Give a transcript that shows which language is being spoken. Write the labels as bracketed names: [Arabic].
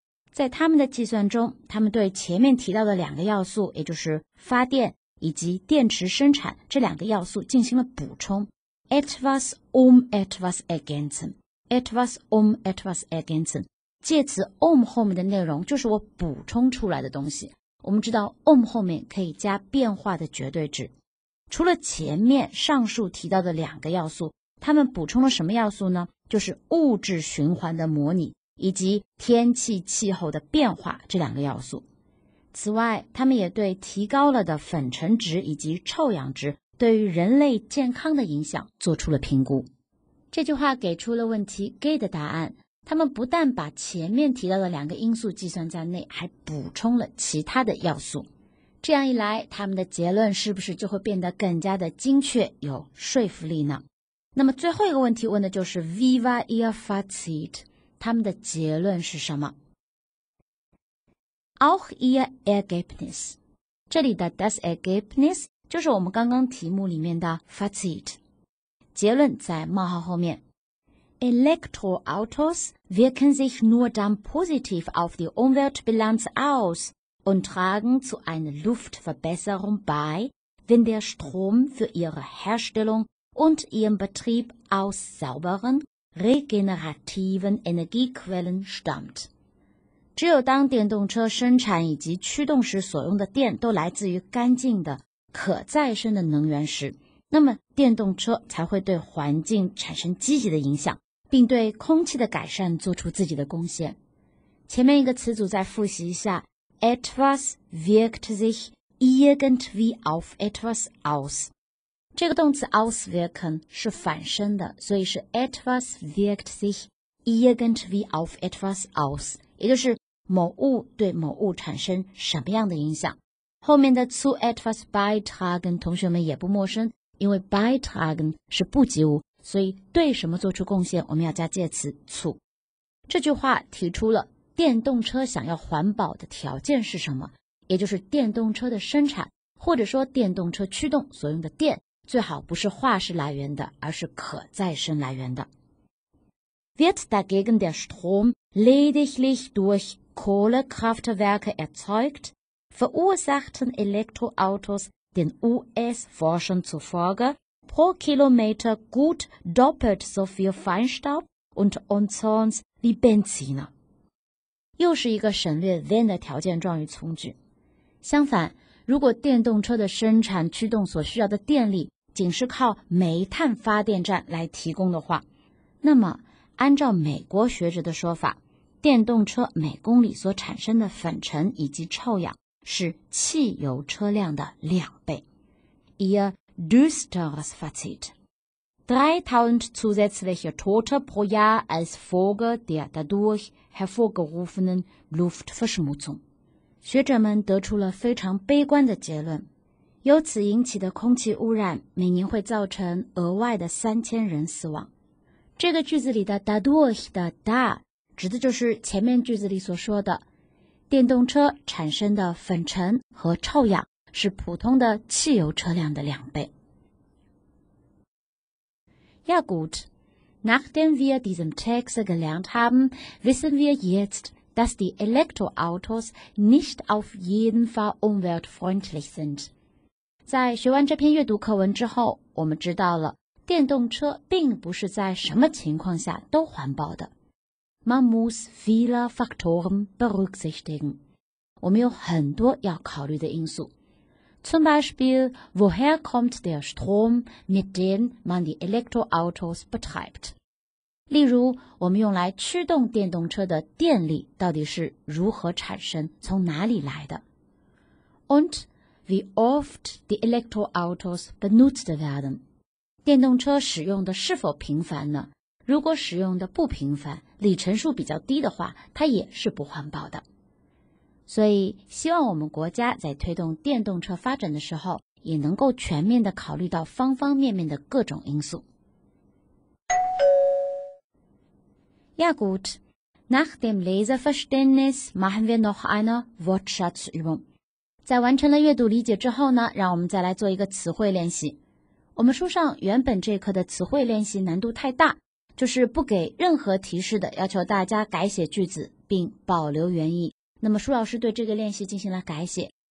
[Chinese] 在他们的计算中，他们对前面提到的两个要素，也就是发电以及电池生产这两个要素进行了补充。 [German] Etwas etwas ergänzen, etwas etwas ergänzen。 [Chinese] 介词 后面的内容就是我补充出来的东西。我们知道 后面可以加变化的绝对值。除了前面上述提到的两个要素，他们补充了什么要素呢？就是物质循环的模拟以及天气气候的变化这两个要素。此外，他们也对提高了的粉尘值以及臭氧值对于人类健康的影响做出了评估。这句话给出了问题 G 的答案，他们不但把前面提到的两个因素计算在内，还补充了其他的要素。这样一来，他们的结论是不是就会变得更加的精确，有说服力呢？那么最后一个问题问的就是 [German] Viva ihr Fazit， [Chinese] 他们的结论是什么？ [German] Auch ihr Ergebnis， [Chinese] 这里的 das Ergebnis 就是我们刚刚题目里面的 Fazit， 结论在冒号后面。 [German] Elektroautos wirken sich nur dann positiv auf die Umweltbilanz aus und tragen zu einer Luftverbesserung bei, wenn der Strom für ihre Herstellung und ihren Betrieb aus sauberen, regenerativen Energiequellen stammt。 [Chinese] 只有当电动车生产以及驱动时所用的电都来自于干净的可再生的能源时，那么电动车才会对环境产生积极的影响，并对空气的改善做出自己的贡献。前面一个词组再复习一下， [German] etwas wirkt sich irgendwie auf etwas aus， [Chinese] 这个动词 auswirken 是反身的，所以是 etwas wirkt sich irgendwie auf etwas aus，也就是某物对某物产生什么样的影响。后面的 [German] zu etwas beitragen [Chinese] 同学们也不陌生，因为 beitragen 是不及物，所以对什么做出贡献我们要加介词 zu。这句话提出了电动车想要环保的条件是什么，也就是电动车的生产或者说电动车驱动所用的电最好不是化石来源的，而是可再生来源的。 [German] Wird dagegen der Strom lediglich durch Kohlekraftwerke erzeugt, verursachten Elektroautos den US-Forschern zufolge pro Kilometer gut doppelt so viel Feinstaub und Ozon wie Benziner. [Chinese] 又是一个省略 wenn 的条件状语从句。相反，如果电动车的生产驱动所需要的电力仅是靠煤炭发电站来提供的话，那么按照美国学者的说法，电动车每公里所产生的粉尘以及臭氧是汽油车辆的两倍。 [German] Ihr düsteres Fazit. 3000 zusätzliche Tote pro Jahr als Folge der dadurch hervorgerufenen Luftverschmutzung. [Chinese] 学者们得出了非常悲观的结论，由此引起的空气污染每年会造成额外的3000人死亡。这个句子里的 dadurch 的 da 指的就是前面句子里所说的电动车产生的粉尘和臭氧是普通的汽油车辆的两倍。 [German] Ja gut, nachdem wir diesen Text gelernt haben, wissen wir jetzt, dass die Elektroautos nicht auf jeden Fall umweltfreundlich sind. [Chinese] 在学完这篇阅读课文之后，我们知道了电动车并不是在什么情况下都环保的。 [German] Man muss viele Faktoren berücksichtigen. [Chinese] 我们有很多要考虑的因素。 [German] Zum Beispiel, woher kommt der Strom, mit dem man die Elektroautos betreibt? [Chinese] 例如，我们用来驱动电动车的电力到底是如何产生，从哪里来的 [German] ？Und wie oft die Elektroautos benutzt werden? [Chinese] 电动车使用的是否频繁呢？如果使用的不频繁，里程数比较低的话，它也是不环保的。所以，希望我们国家在推动电动车发展的时候，也能够全面地考虑到方方面面的各种因素。 [German] Ja gut, nach dem Leseverständnis machen wir noch eine Wortschatzübung. [Chinese] 在完成了阅读理解之后呢，让我们再来做一个词汇练习。我们书上原本这课的词汇练习难度太大，就是不给任何提示的要求大家改写句子并保留原意。那么舒老师对这个练习进行了改写，